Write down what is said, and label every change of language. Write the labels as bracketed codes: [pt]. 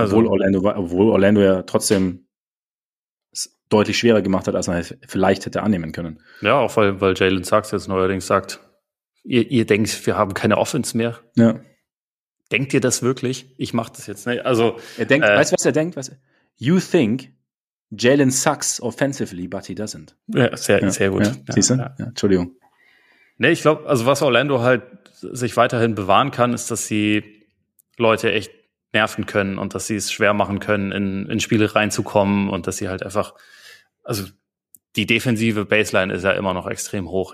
[de] Obwohl Orlando ja trotzdem deutlich schwerer gemacht hat, als man vielleicht hätte annehmen können. Ja, auch weil Jalen Suggs jetzt neuerdings sagt, ihr denkt, wir haben keine Offense mehr. Ja. Denkt ihr das wirklich? Ich mach das jetzt. Nicht. Also, er denkt, weißt du, was er denkt? [en] You think Jalen Suggs offensively, but he doesn't. [de] Ja, sehr gut. Ja, siehst du? Ja, Entschuldigung. Nee, ich glaube, also was Orlando halt sich weiterhin bewahren kann, ist, dass sie Leute echt nerven können und dass sie es schwer machen können, in Spiele reinzukommen und dass sie halt einfach, also die defensive Baseline ist ja immer noch extrem hoch.